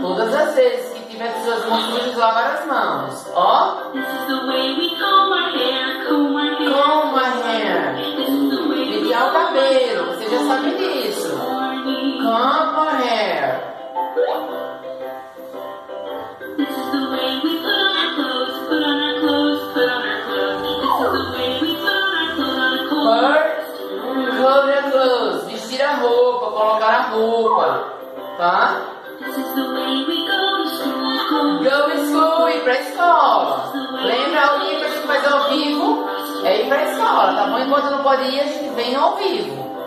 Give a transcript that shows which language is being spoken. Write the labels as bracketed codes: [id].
[pt] Todas as vezes que tiver suas mãos sujas, lavar as mãos. Ó. [en] This is the way we comb our hair. Comb our hair. Comb our hair. [pt] Pentear o cabelo. Você já sabe disso. [en] Comb our hair. [pt] Tá? [en] This is the way we go to school. Go to school, [pt] ir pra escola. Lembra, alguém que a gente faz ao vivo é ir pra escola, tá bom? Enquanto não pode ir, a gente vem ao vivo.